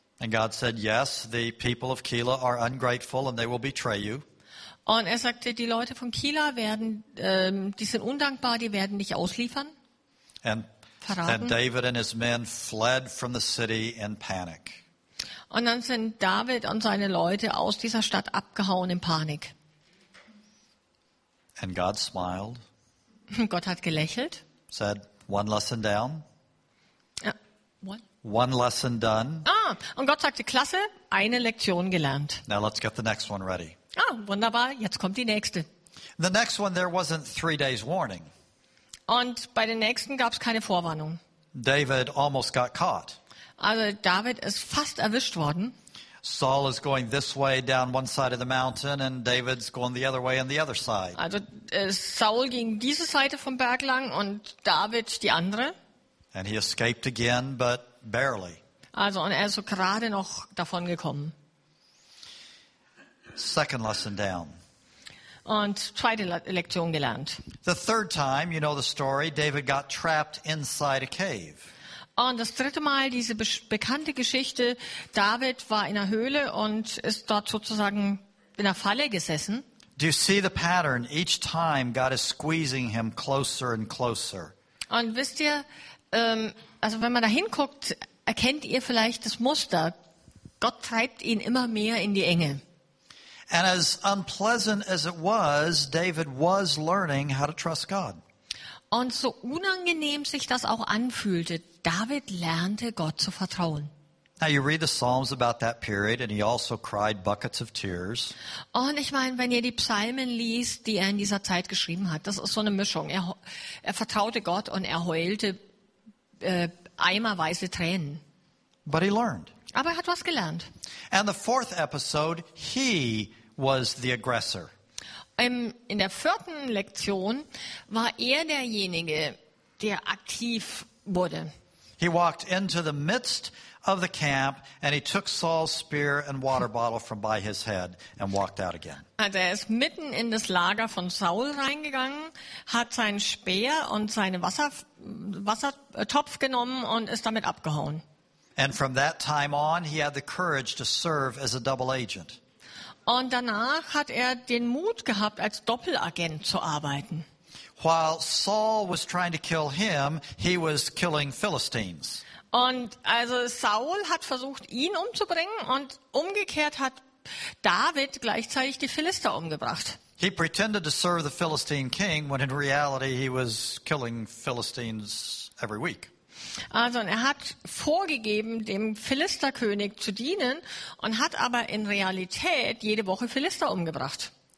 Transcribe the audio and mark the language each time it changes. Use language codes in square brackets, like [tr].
[en] And God said, yes, the people of Keilah are ungrateful and they will betray you. [de] Und er sagte, die Leute von Keilah werden, die sind undankbar, die werden dich ausliefern. [en] And David and his men fled from the city in panic. [de] Und dann sind David und seine Leute aus dieser Stadt abgehauen in Panik. [en] And God smiled. [de] Gott hat gelächelt. [en] Said one lesson down. One lesson done. [de] Ah, und Gott sagte, klasse, eine Lektion gelernt. [en] Now let's get the next one ready. [de] Ah, wunderbar, jetzt kommt die nächste. [en] The next one, there wasn't 3 days warning. [de] Und bei den nächsten gab es keine Vorwarnung. [en] David almost got caught. [de] Also David ist fast erwischt worden. [en] Saul is going this way down one side of the mountain and David's going the other way on the other side. [de] Also Saul ging diese Seite vom Berg lang und David die andere. [en] And he escaped again, but barely. [de] Also und er ist so gerade noch davon gekommen. [en] Second lesson down. [de] Und zweite Lektion gelernt. [en] The third time, you know the story, David got trapped inside a cave. [de] Und das dritte Mal, diese bekannte Geschichte, David war in der Höhle und ist dort sozusagen in der Falle gesessen. [en] Do you see the pattern? Each time God is squeezing him closer and closer. [de] Und wisst ihr, also wenn man da hinguckt, erkennt ihr vielleicht das Muster. Gott treibt ihn immer mehr in die Enge. [en] And as unpleasant as it was, David was learning how to trust God. [de] Und so unangenehm sich das auch anfühlte, David lernte Gott zu vertrauen. [en] Now you read the Psalms about that period and he also cried buckets of tears. [de] Und ich meine, wenn ihr die Psalmen liest, die er in dieser Zeit geschrieben hat, das ist so eine Mischung. Er vertraute Gott und er heulte eimerweise Tränen. [en] But he learned. [de] Aber er hat was gelernt. [en] And the fourth episode, he was the aggressor. [de] In der vierten Lektion war er derjenige, der aktiv wurde. [en] He walked into the midst of the camp and he took Saul's spear and water bottle from by his head and walked out again. [de] Also er ist mitten in das Lager von Saul reingegangen, hat seinen Speer und seinen Wassertopf genommen und ist damit abgehauen. [en] And from that time on, he had the courage to serve as a double agent. [de] Und danach hat er den Mut gehabt, als Doppelagent zu arbeiten. [en] While Saul was trying to kill him, he was killing Philistines. [de] Und also Saul hat versucht, ihn umzubringen und umgekehrt hat David gleichzeitig die Philister umgebracht. [en] He pretended to serve the Philistine king, when in reality he was killing Philistines every week. [de] Also er hat vorgegeben, dem Philisterkönig zu dienen und hat aber in Realität jede Woche Philister umgebracht.